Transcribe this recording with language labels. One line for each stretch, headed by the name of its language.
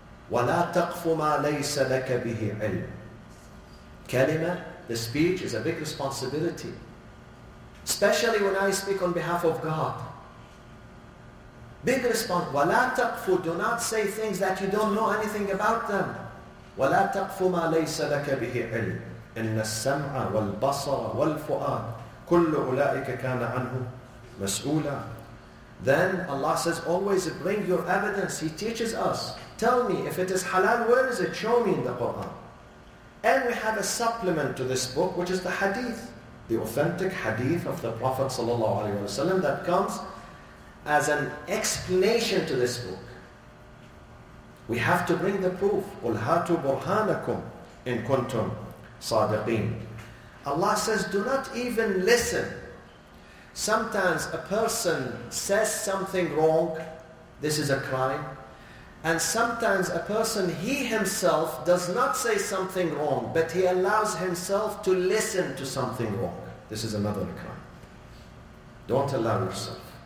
Arabic: وَلَا تَقْفُ مَا لَيْسَ لَكَ بِهِ عِلْمٍ.
English: Kalima, the speech, is a big responsibility. Especially when I speak on behalf of God. Big response.
Arabic: وَلَا تَقْفُ,
English: do not say things that you don't know anything about them.
Arabic: وَلَا تَقْفُ مَا لَيْسَ لَكَ بِهِ عِلْمٍ. إن السمع والبصر والفؤاد كل أولئك كان عنه مسؤولا.
English: Then Allah says, always bring your evidence. He teaches us. Tell me, if it is halal, where is it? Show me in the Quran. And we have a supplement to this book, which is the hadith, the authentic hadith of the Prophet sallallahu alaihi wasallam, that comes as an explanation to this book. We have to bring the proof.
Arabic: قل هاتوا برهانكم إن كنتم صادقين.
English: Allah says, do not even listen. Sometimes a person says something wrong, this is a crime. And sometimes a person, he himself does not say something wrong, but he allows himself to listen to something wrong. This is another crime. Don't allow yourself.